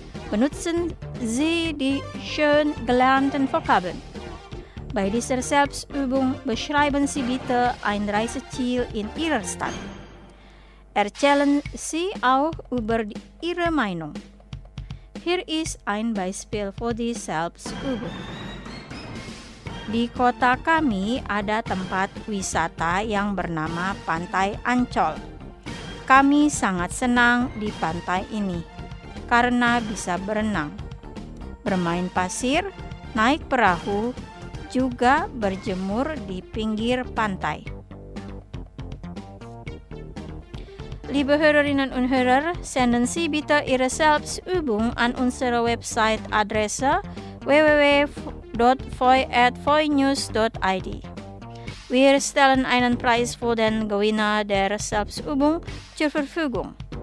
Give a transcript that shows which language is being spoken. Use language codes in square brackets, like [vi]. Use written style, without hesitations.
[de] Benutzen Sie die schön gelernten Vokabeln. Bei dieser Selbstübung beschreiben Sie bitte ein Reiseziel in Ihrer Stadt. Erzählen Sie auch über Ihre Meinung. Hier ist ein Beispiel für die Selbstübung. [id] Di kota kami ada tempat wisata yang bernama Pantai Ancol. Kami sangat senang di pantai ini karena bisa berenang, bermain pasir, naik perahu, juga berjemur di pinggir pantai. [de] Liebe Hörerinnen und Hörer, senden Sie bitte Ihre Selbstübung an unsere Website-Adresse www.voi@voinews.id. Wir stellen einen Preis für den Gewinner der Selbstübung zur Verfügung.